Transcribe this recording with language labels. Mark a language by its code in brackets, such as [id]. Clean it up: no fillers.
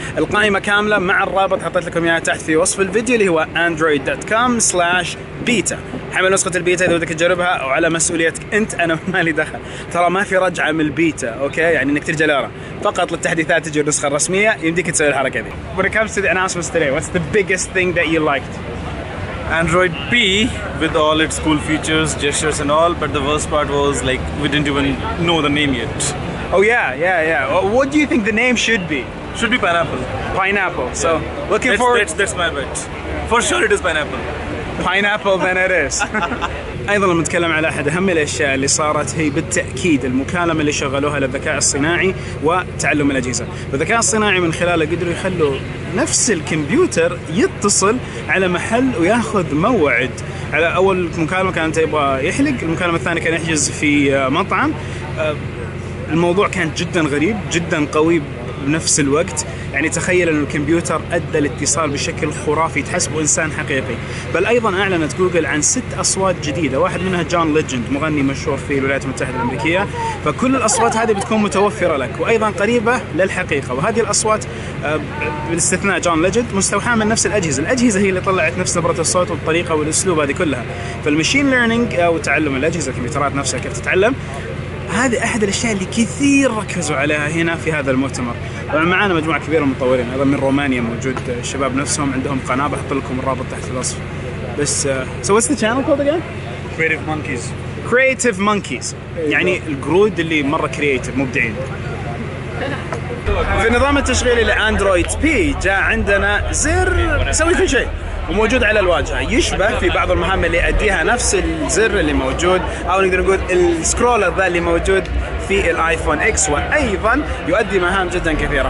[ar] القائمة كاملة مع الرابط حطيت لكم إياها تحت في وصف الفيديو اللي هو android.com/beta. حمل نسخة البيتا إذا بدك تجربها، أو على مسؤوليتك أنت، أنا مالي دخل. ترى ما في رجعة من البيتا، أوكي؟ يعني إنك ترجع لورا، فقط للتحديثات تجي النسخة الرسمية يمديك تسوي الحركة دي. [en] When it comes to the announcements today, what's the biggest thing that you liked? Android P with all its cool features, gestures and all, but the worst part was like we didn't even know the name yet. Oh yeah, yeah, yeah. What do you think the name should be? Should be pineapple. Pineapple. So yeah. Looking for that's my bet. For sure it is pineapple. Pineapple than it is. [ar] أيضاً لما نتكلم على أحد أهم الأشياء اللي صارت، هي بالتأكيد المكالمة اللي شغلوها للذكاء الصناعي وتعلم الأجهزة. الذكاء الصناعي من خلاله قدروا يخلوا نفس الكمبيوتر يتصل على محل وياخذ موعد. على أول مكالمة كانت يبغى يحلق، المكالمة الثانية كان يحجز في مطعم. الموضوع كان جداً غريب، جداً قوي بنفس الوقت. يعني تخيل أن الكمبيوتر أدى الاتصال بشكل خرافي، تحسبه إنسان حقيقي. بل أيضا أعلنت جوجل عن 6 أصوات جديدة، واحد منها جون ليجند، مغني مشهور في الولايات المتحدة الأمريكية. فكل الأصوات هذه بتكون متوفرة لك وأيضا قريبة للحقيقة، وهذه الأصوات باستثناء جون ليجند مستوحاة من نفس الأجهزة. الأجهزة هي اللي طلعت نفس نبرة الصوت والطريقة والأسلوب هذه كلها. فالمشين ليرنينج أو تعلم الأجهزة، الكمبيوترات نفسها كيف تتعلم، هذه أحد الأشياء اللي كثير ركزوا عليها هنا في هذا المؤتمر. معانا مجموعة كبيرة من المطورين، أيضا من رومانيا موجود الشباب نفسهم، عندهم قناة بحط لكم الرابط تحت الوصف. [en] بس so what's the channel called again? Creative Monkeys. Creative Monkeys. [ar] يعني القرود اللي مرة creative، مبدعين. في النظام التشغيلي لأندرويد P جاء عندنا زر سوي كل شيء، وموجود على الواجهة، يشبه في بعض المهام اللي أديها نفس الزر اللي موجود، أو نقدر نقول السكرولر ذا اللي موجود في الآيفون إكس، وأيضاً يؤدي مهام جداً كثيرة.